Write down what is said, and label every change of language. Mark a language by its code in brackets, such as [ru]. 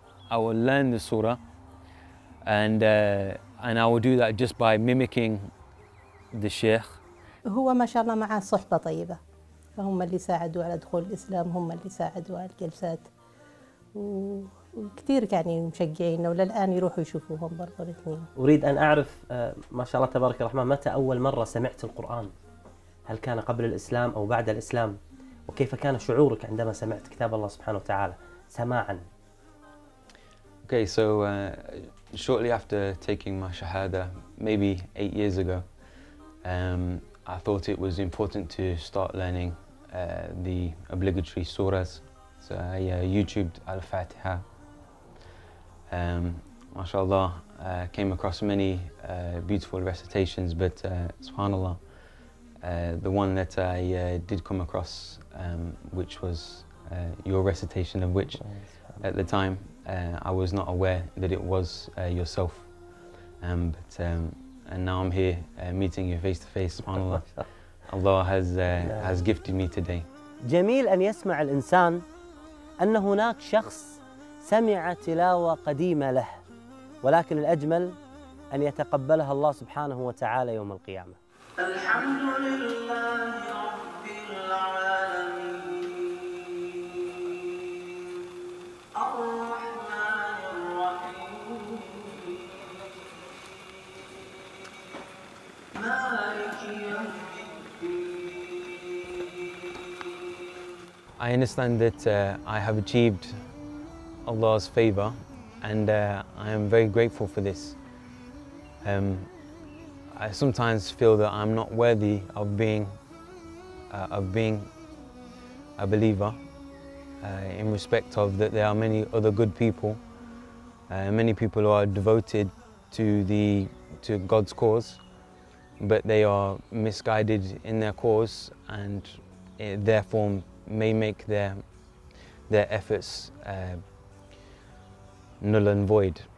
[en] I will learn the surah, and I will do that just by mimicking the Sheikh. [ar] هو ما شاء الله معه صحبة طيبة، فهم اللي ساعدوا على دخول الإسلام، هم اللي ساعدوا على الجلسات، وكثير يعني مشجعين، وللآن يروحوا يشوفوهم برضو الاثنين. أريد أن أعرف ما شاء الله تبارك الرحمن، متى أول مرة سمعت القرآن؟ هل كان قبل الإسلام أو بعد الإسلام؟ وكيف كان شعورك عندما سمعت كتاب الله سبحانه وتعالى سماعاً؟ [en] Okay, so shortly after taking my shahada, maybe 8 years ago, I thought it was important to start learning the obligatory surahs. So I YouTubed Al-Fatiha. MashaAllah, came across many beautiful recitations, but SubhanAllah, the one that I did come across, which was your recitation of which, at the time, I was not aware that it was yourself. And now I'm here meeting you face to face, SubhanAllah. Allah has gifted me today. [ar] جميل أن يسمع الإنسان أن هناك شخص سمع تلاوة قديمة له، ولكن الأجمل أن يتقبلها الله سبحانه وتعالى يوم القيامة. الحمد لله رب العالمين، الرحمن الرحيم، مالك يوم الدين. [en] I understand that I have achieved Allah's favor, and I am very grateful for this. I sometimes feel that I'm not worthy of being a believer in respect of that there are many other good people, many people who are devoted to God's cause, but they are misguided in their cause and therefore may make their efforts null and void.